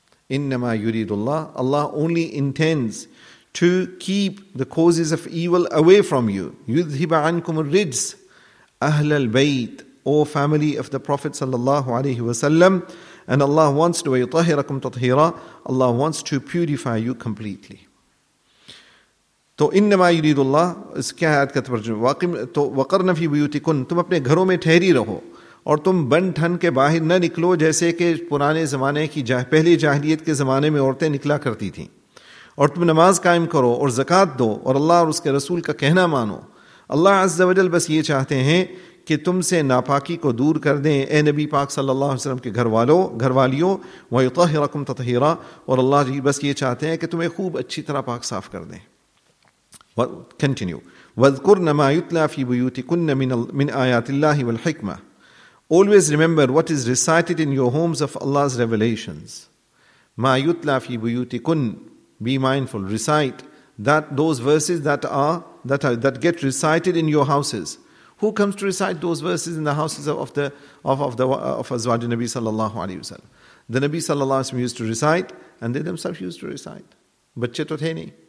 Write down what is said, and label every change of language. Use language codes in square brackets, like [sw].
[ar] إِنَّمَا يُرِيدُ اللَّهُ [en] Allah only intends to keep the causes of evil away from you. [ar] يُذْهِبَ عَنْكُمُ الرِّجْسِ أَهْلَ الْبَيْتِ [en] O family of the Prophet sallallahu alayhi wa sallam. And Allah wants to [ar] وَيُطَهِرَكُمْ تَطْهِيرًا [en] Allah wants to purify you completely. [ur] تو [ar] إِنَّمَا يُرِيدُ اللَّهُ [ur] اس کیا آیت کا ترجمہ تو [ar] وَقَرْنَ فِي بُيُوتِكُنْ [ur] تم اپنے گھروں میں ٹھہری رہو اور تم بن ٹھن کے باہر نہ نکلو جیسے کہ پرانے زمانے کی پہلے جاہلیت کے زمانے میں عورتیں نکلا کرتی تھیں اور تم نماز قائم کرو اور زکوٰۃ دو اور اللہ اور اس کے رسول کا کہنا مانو اللہ عز و جل بس یہ چاہتے ہیں کہ تم سے ناپاکی کو دور کر دیں اے نبی پاک صلی اللہ علیہ وسلم کے گھر والیوں [ar] وَيُطَهِّرَكُمْ تَطْهِيرًا [ur] اور اللہ جی بس یہ چاہتے ہیں کہ تمہیں خوب اچھی طرح پاک صاف کر دیں کنٹینیو [ar] وَذْكُرْنَ مَا يُتْلَى فِي بُيُوتِكُنَّ مِنْ آيَاتِ اللَّهِ وَالْحِكْمَةِ [en] Always remember what is recited in your homes of Allah's revelations. [ar] مَا يُتْلَى فِي بُيُوتِكُنَّ [en] Be mindful, recite those verses that get recited in your houses. Who comes to recite those verses in the houses of Azwaj Nabi sallallahu alayhi wa sallam? The Nabi sallallahu alayhi wa sallam used to recite, and they themselves used to recite. [ur] Bacche to the ne.